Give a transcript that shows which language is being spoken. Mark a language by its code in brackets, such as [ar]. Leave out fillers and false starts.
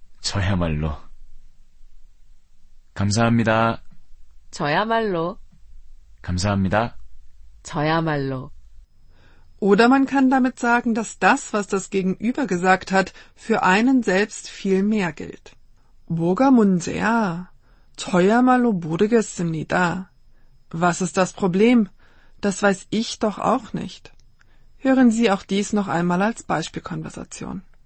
[ko] 저야말로. 감사합니다. 저야말로. 감사합니다. 저야말로. [de] Oder man kann damit sagen, dass das, was das Gegenüber gesagt hat, für einen selbst viel mehr gilt. [ko] 뭐가 문제야? 저야말로 모르겠습니다. [de] Was ist das Problem? Das weiß ich doch auch nicht. Hören Sie auch dies noch einmal als Beispielkonversation.